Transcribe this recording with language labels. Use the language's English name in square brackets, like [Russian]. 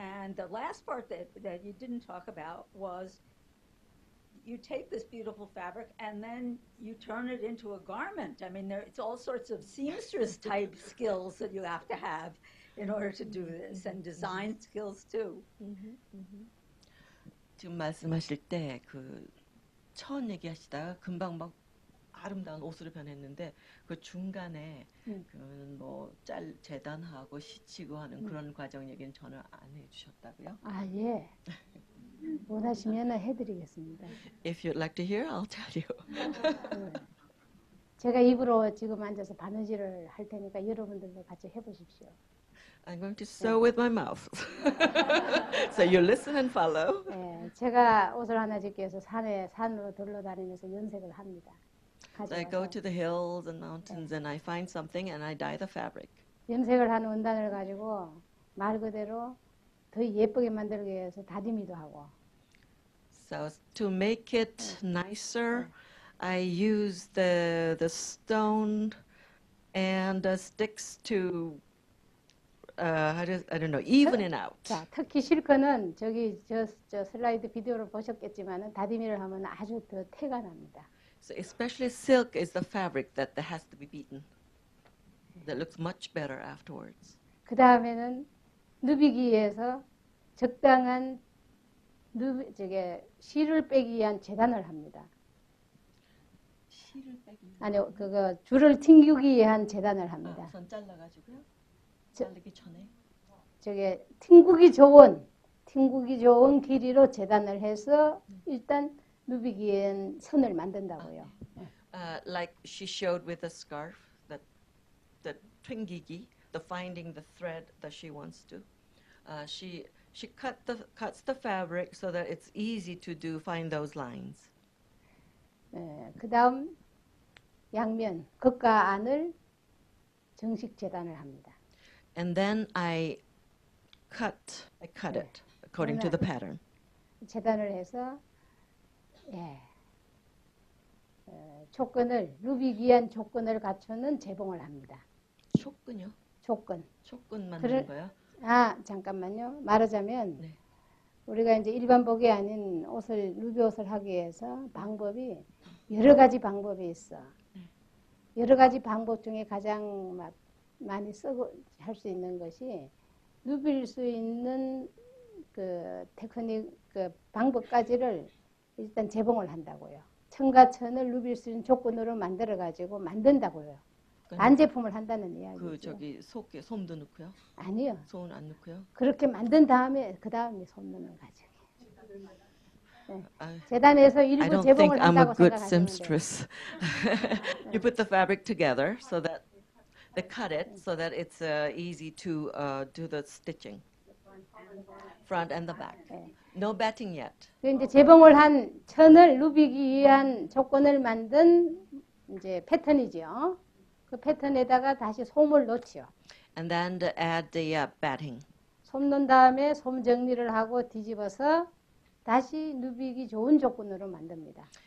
[English] And the last part that you didn't talk about was you take this beautiful fabric and then you turn it into a garment. I mean, it's all sorts of seamstress type skills that you have to have in order to do this, and design skills too. Mm-hmm. Mm-hmm. [Korean] 지금 말씀하실 때 그 처음 얘기하시다가 금방 막 아름다운 옷으로 변했는데 그 중간에 그 뭐 짤 재단하고 시치고 하는 그런 과정 얘기는 전혀 안 해주셨다고요? 아 예. 원하시면 해드리겠습니다. [English] If you'd like to hear, I'll tell you. [Korean] 제가 입으로 지금 앉아서 바느질을 할 테니까 여러분들도 같이 해보십시오. [English] I'm going to sew with my mouth. So you listen and follow. [Korean] 네, 제가 옷을 하나 짓기 위해서 산으로 둘러다니면서 연색을 합니다. [English] So I go to the hills and mountains and I find something and I dye the fabric. [Korean] 연색을 한 원단을 가지고 말 그대로 더 예쁘게 만들기 위해서 다듬이도 하고. [English] So to make it nicer, I use the stone and the sticks to even it out. [Korean] 자, 특히 실크는 저기 저 슬라이드 비디오를 보셨겠지만은 다듬이를 하면 아주 더 태가 납니다. [English] So especially silk is the fabric that has to be beaten. That looks much better afterwards. [Korean] 그다음에는 누비기 위해서 적당한 저게 실을 빼기 위한 재단을 합니다. 실을 빼기 위한 아니요, 그거 줄을 튕기기 위한 재단을 합니다. 아, 전 잘라가지고요. 자르기 전에 저게 튕기기 좋은 길이로 재단을 해서 일단 누비기 위한 선을 만든다고요. 아, 네. [English] Like she showed with the scarf, the 튕기기, the finding the thread that she wants to. She cuts the fabric so that it's easy to do find those lines. [Korean] 네, 그다음 양면 겉과 안을 정식 재단을 합니다. [English] And then I cut [Korean] 네. [English] it according to the pattern. [Korean] 재단을 해서 예. 조건을 누비기한 조건을 갖추는 재봉을 합니다. 조건요? 조건. 조건 만드는 거야? 아, 잠깐만요. 말하자면 네. 우리가 이제 일반복이 아닌 옷을 루비 옷을 하기 위해서 방법이 여러 가지 방법이 있어. 여러 가지 방법 중에 가장 많이 쓰고 할 수 있는 것이 루빌 수 있는 그 테크닉 그 방법까지를 일단 재봉을 한다고요. 천과천을 루빌 수 있는 조건으로 만들어 가지고 만든다고요. 반제품을 한다는 이야기죠. 그 저기 속에 솜도 넣고요? 아니요. 솜은 안 넣고요? 그렇게 만든 다음에 그 다음에 솜 넣는 과정이에요. [English] I don't think I'm a good seamstress. You put the fabric together so that they cut it so that it's easy to do the stitching. Front and the back. No batting yet. [Korean] 이제 재봉을 한 천을 누비기 위한 조건을 만든 이제 패턴이죠. 그 패턴에다가 다시 솜을 넣죠. [English] And then to add the batting. [Korean] 솜 넣은 다음에 솜 정리를 하고 뒤집어서 다시 누비기 좋은 조건으로 만듭니다.